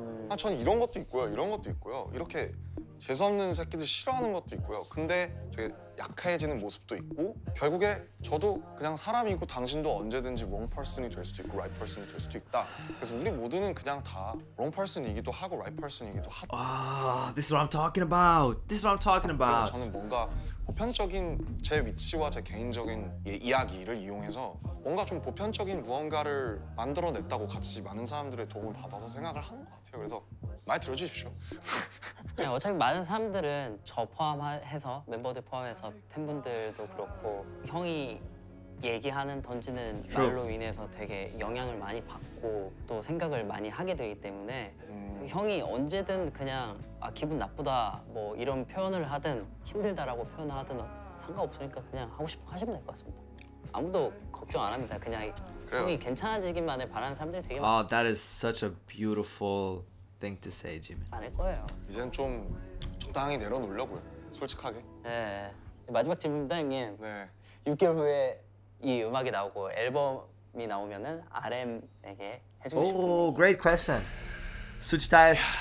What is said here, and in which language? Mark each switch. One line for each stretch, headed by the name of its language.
Korean: 아, 전 이런 것도 있고요, 이런 것도 있고요. 이렇게 재수 없는 새끼들 싫어하는 것도 있고요. 근데 되게 약해지는 모습도 있고 결국에 저도 그냥 사람이고 당신도 언제든지
English: wrong person
Korean: 이 될 수도 있고
English: right person
Korean: 이 될 수도 있다. 그래서 우리 모두는 그냥 다
English: wrong person
Korean: 이기도 하고
English: right person
Korean: 이기도 하.
English: 아, this is what I'm talking about. This is what I'm talking about.
Korean: 그래서 저는 뭔가 보편적인 제 위치와 제 개인적인 이야기를 이용해서 뭔가 좀 보편적인 무언가를 만들어냈다고 같이 많은 사람들의 도움을 받아서 생각을 하는 것 같아요. 그래서 많이 들어주십시오. 네, 어차피 많은 사람들은 저 포함해서 멤버들 포함해서 팬분들도 그렇고 형이 얘기하는 던지는 말로 인해서 되게 영향을 많이 받고 또 생각을 많이 하게 되기 때문에 형이 언제든 그냥 아 기분 나쁘다 뭐 이런 표현을 하든 힘들다라고 표현을 하든 상관없으니까 그냥 하고 싶어 하시면 될 것 같습니다. 아무도 걱정 안 합니다. 그냥 그래요. 형이 괜찮아지기만을 바라는 사람들이 되게 많아요.
English: That is such a beautiful thing to say, Jimin.
Korean: 안 할 거예요. 이제는 좀 적당히 내려놓으려고요. 솔직하게. 네. 마지막 질문입니다, 형님. 네. 6개월 후에 이 음악이 나오고 앨범이 나오면은 RM에게 해주고 싶은
English: 오, great question. 수치타이.